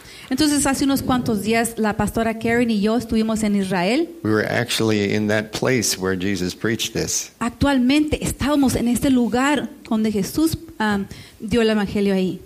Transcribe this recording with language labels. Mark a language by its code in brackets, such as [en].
[es] Entonces hace unos cuantos días la pastora Karen y yo estuvimos en Israel. [en] We were actually in that place where Jesus preached this. [es] Actualmente estábamos en este lugar donde Jesús dio el evangelio ahí.